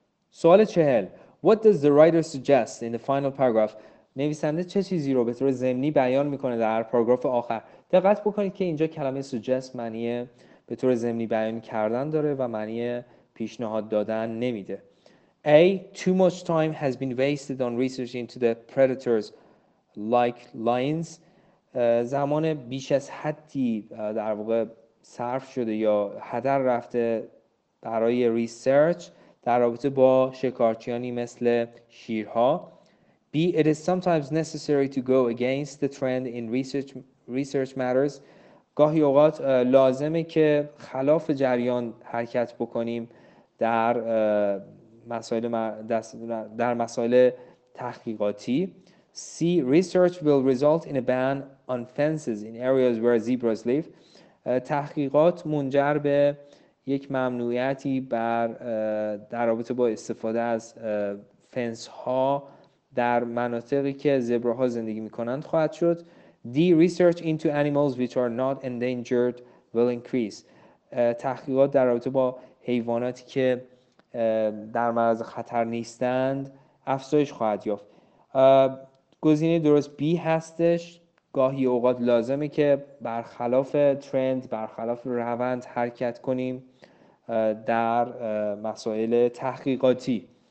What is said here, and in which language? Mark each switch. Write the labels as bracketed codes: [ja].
[fa] سوال 40. [en] What does the writer suggest in the final paragraph؟ [fa] نویسنده چه چیزی رو به طور ضمنی بیان میکنه در پاراگراف آخر؟ دقت بکنید که اینجا کلمه suggest معنی به طور ضمنی بیان کردن داره و معنی پیشنهاد دادن نمیده. A. [en] Too much time has been wasted on research into the predators like lions. [fa] زمان بیش از حدی در واقع صرف شده یا هدر رفته برای ریسرچ در رابطه با شکارچیانی مثل شیرها. [en] B. It is sometimes necessary to go against the trend in research matters. [fa] گاهی اوقات لازمه که خلاف جریان حرکت بکنیم در مسائل تحقیقاتی. [en] C. Research will result in a ban on fences in areas where zebras live. [fa] تحقیقات منجر به یک ممنوعیتی بر در رابطه با استفاده از فنس ها در مناطقی که زبراها زندگی می کنند خواهد شد. D. [en] Research into animals which are not endangered will increase. [fa] تحقیقات در رابطه با حیواناتی که در معرض خطر نیستند افزایش خواهد یافت. گزینه درست B هستش. گاهی اوقات لازمه که برخلاف ترند، برخلاف روند حرکت کنیم در مسائل تحقیقاتی.